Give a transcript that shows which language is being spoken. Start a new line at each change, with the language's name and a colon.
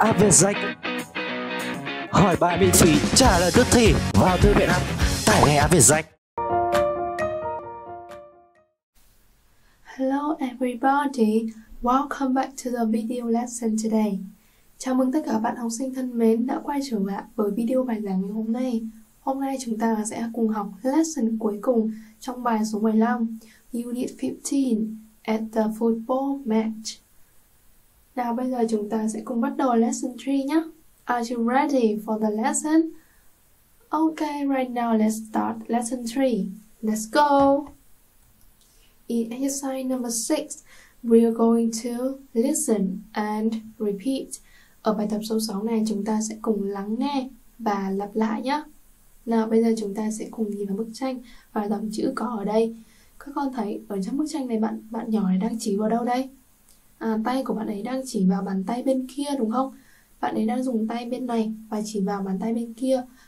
Vietnamese: danh hỏi bài miễn phí trả lời tức thì vào thư viện app tải ngay app danh.
English: Hello everybody, welcome back to the video lesson today.
Vietnamese: Chào mừng tất cả bạn học sinh thân mến đã quay trở lại với video bài giảng ngày hôm nay. Hôm nay chúng ta sẽ cùng học lesson cuối cùng trong bài số 15,
English: Unit 15 at the football match.
Vietnamese: Nào bây giờ chúng ta sẽ cùng bắt đầu lesson 3 nhé.
English: Are you ready for the lesson? Okay, right now let's start lesson 3. Let's go! In exercise number 6, we are going to listen and repeat.
Vietnamese: Ở bài tập số 6 này chúng ta sẽ cùng lắng nghe và lặp lại nhé. Nào bây giờ chúng ta sẽ cùng nhìn vào bức tranh và dòng chữ có ở đây. Các con thấy ở trong bức tranh này bạn nhỏ này đang chỉ vào đâu đây? À, tay của bạn ấy đang chỉ vào bàn tay bên kia đúng không? Bạn ấy đang dùng tay bên này và chỉ vào bàn tay bên kia.